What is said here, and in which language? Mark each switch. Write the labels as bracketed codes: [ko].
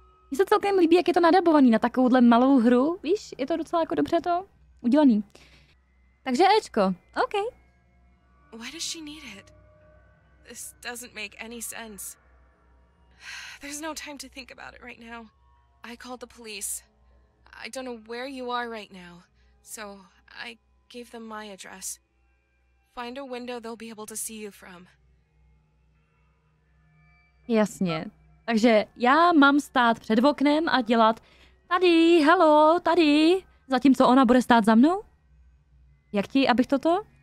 [cs] Mně se celkem líbí, jak je to nadabovaný na takovouhle malou hru. Víš, je to docela jako dobře to udělaný. Takže Ečko, OK. [en] Why does she need it? This doesn't make any sense. There's no time to think about it right now. I called the police. I don't know where you are right now. So, I gave them my address. Find a window they'll be able to see you from. [cs] Jasně. Takže já mám stát před oknem a dělat tady, hello, tady. Zatímco ona bude stát za mnou? Jak ti, abych toto?